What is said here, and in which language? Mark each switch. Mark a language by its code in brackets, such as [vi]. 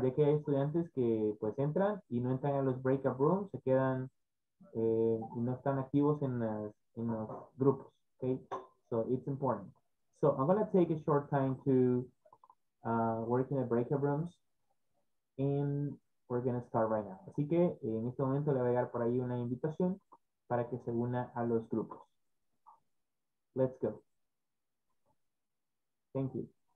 [es] De que hay estudiantes que pues entran y no entran a los breakout rooms, se quedan y no están activos en los grupos. [en] Okay, so it's important. So I'm going to take a short time to work in the breakout rooms and we're going to start right now. [es] Así que en este momento le voy a dar por ahí una invitación para que se una a los grupos. [en] Let's go. Thank you.